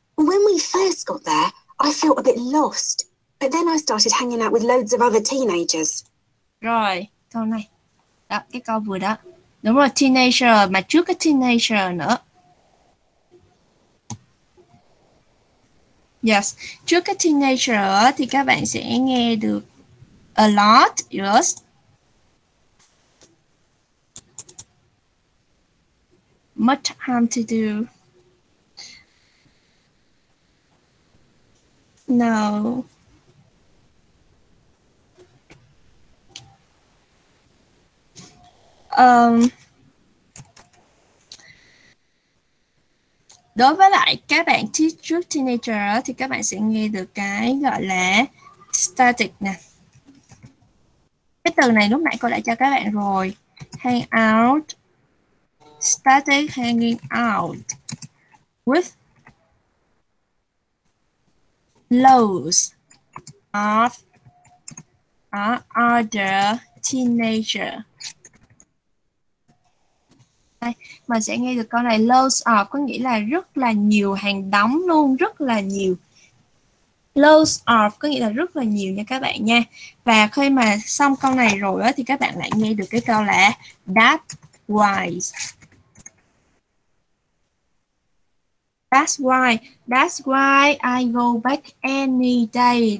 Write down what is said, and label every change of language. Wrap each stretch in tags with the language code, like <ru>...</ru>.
<en>When we first got there, I felt a bit lost. But then I started hanging out with loads of other teenagers.</en> <vi>Rồi, câu này. Đó, cái câu vừa đó. Đúng rồi, teenager, mà trước cái teenager nữa.</vi> <en>Yes,</en> <vi>trước cái teenager thì các bạn sẽ nghe được</vi> <en>a lot, yes. Much time to do. No.</en> <vi>Đối với lại các bạn trước teenager thì các bạn sẽ nghe được cái gọi là static nè. Cái từ này lúc nãy cô đã cho các bạn rồi.</vi> <en>Hang out. Static hanging out with loads of other teenager.</en> <vi>Đây, mình sẽ nghe được câu này loads of, có nghĩa là rất là nhiều, hàng đóng luôn, rất là nhiều. Loads of có nghĩa là rất là nhiều nha các bạn nha. Và khi mà xong câu này rồi đó, thì các bạn lại nghe được cái câu là</vi> <en>That's why I go back any day.</en>